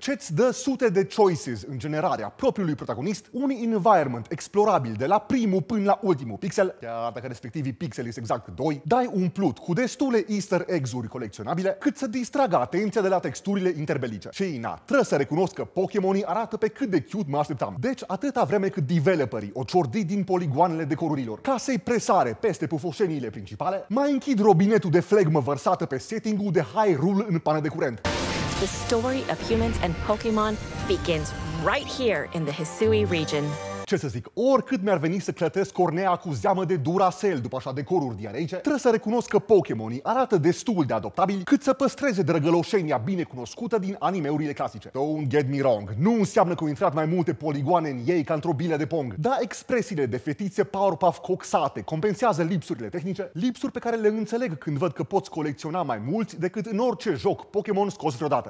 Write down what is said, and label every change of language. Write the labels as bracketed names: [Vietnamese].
[Romanian] Ce-ți dă sute de choices în generarea propriului protagonist, un environment explorabil de la primul până la ultimul pixel, chiar dacă respectivii pixeli sunt exact 2, dai umplut cu destule easter eggs-uri colecționabile, cât să distragă atenția de la texturile interbelice. Și na, trebuie să recunosc că Pokémonii arată pe cât de cute mă așteptam. Deci atâta vreme cât developerii o ciordi din poligoanele decorurilor, ca să-i presare peste pufoșeniile principale, mai închid robinetul de flegmă vărsată pe setting-ul de Hyrule în pană de curent. [English] The story of humans and Pokémon begins right here in the Hisui region. [Romanian] Ce să zic, oricât mi-ar veni să clătesc cornea cu zeamă de Duracell după așa decoruri diareice, trebuie să recunosc că Pokémonii arată destul de adoptabili cât să păstreze drăgăloșenia binecunoscută din animeurile clasice. [English] Don't get me wrong, [Romanian] nu înseamnă că au intrat mai multe poligoane în ei ca într-o bilă de pong, dar expresiile de fetițe Powerpuff coxate compensează lipsurile tehnice, lipsuri pe care le înțeleg când văd că poți colecționa mai mulți decât în orice joc Pokémon scos vreodată.